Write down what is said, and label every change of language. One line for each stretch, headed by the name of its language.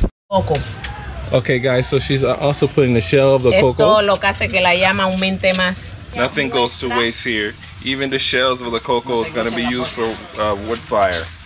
Spanish: Coco.
English: Okay, guys, so she's also putting the shell of the
Spanish: esto
English: cocoa.
Spanish: Esto lo que hace que la llama aumente más.
English: Nothing goes to waste here. Even the shells of the cocoa is going to be used for wood fire.